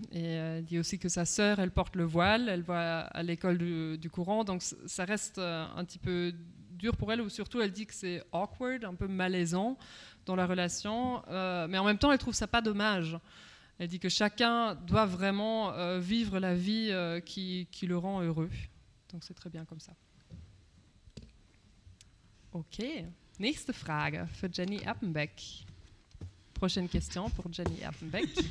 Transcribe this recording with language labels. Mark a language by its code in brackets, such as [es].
[fr] Et elle dit aussi que sa sœur, elle porte le voile, elle va à l'école du courant, donc ça reste un petit peu dur pour elle, ou surtout elle dit que c'est awkward, un peu malaisant dans la relation, mais en même temps elle trouve ça pas dommage. Elle dit que chacun doit vraiment vivre la vie qui le rend heureux. Donc c'est très bien comme ça. Ok. [de] Nächste Frage für Jenny Erpenbeck. [fr] Prochaine question pour Jenny Erpenbeck.